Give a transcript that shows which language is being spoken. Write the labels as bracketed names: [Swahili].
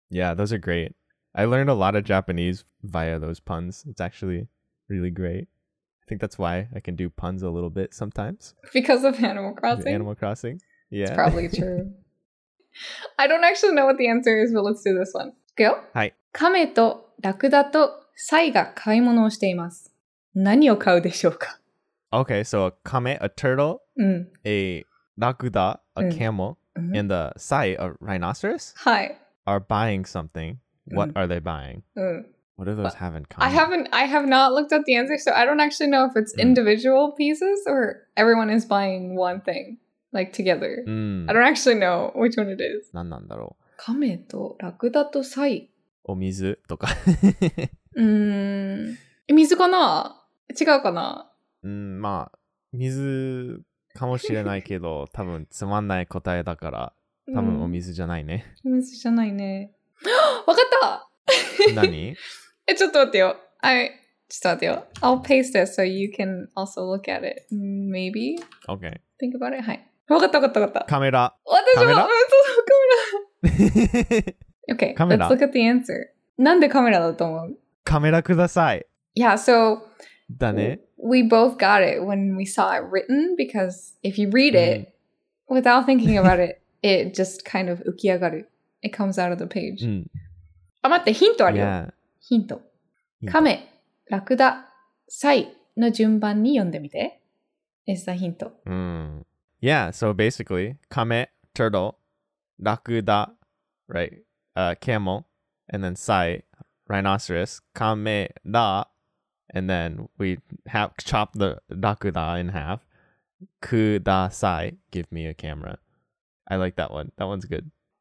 [English] Yeah, those are great. I learned a lot of Japanese via those puns. It's actually really great. I think that's why I can do puns a little bit sometimes. Because of Animal Crossing? Animal Crossing, yeah. It's probably true. I don't actually know what the answer is, but let's do this one. Go. [Japanese] はい。カメとラクダとサイが買い物をしています。何を買うでしょうか? [English] Okay, so a kame, a turtle, a rakuda, a camel, and a sai, a rhinoceros, are buying something. What are they buying? What do those have in common? I have not looked at the answer, so I don't actually know if it's individual pieces or everyone is buying one thing, like together. I don't actually know which one it is. [Japanese] 何なんだろう? カメとラクダとサイ。お水とか。水かな?違うかな? まあ、水かもしれないけど、多分つまんない答えだから、多分お水じゃないね。お水じゃないね。わかった! 何ちょっと待ってよ。ちょっと待ってよ。 [English] I'll paste this so you can also look at it. Maybe? Okay. Think about it. [Japanese] はい。わかったわかったわかった。カメラ。私も、そう、カメラ。 [English] Okay, カメラ。Let's look at the answer. [Japanese] なんでカメラだと思う？カメラください。 [English] Yeah, so... [Japanese] だね。 [English] We both got it when we saw it written because if you read it, without thinking about it, it just kind of [Japanese] 浮き上がる。 [English] It comes out of the page. [Japanese] あ、待って、ヒントあるよ。ヒント。カメ。ラクダ、サイの順番に読んでみて。 [English] Is the hint. Yeah, so basically, kame, turtle, rakuda, right, camel, and then sai, rhinoceros, kame, ra, and then we have chopped the rakuda in half. Kudasai, give me a camera. I like that one. That one's good.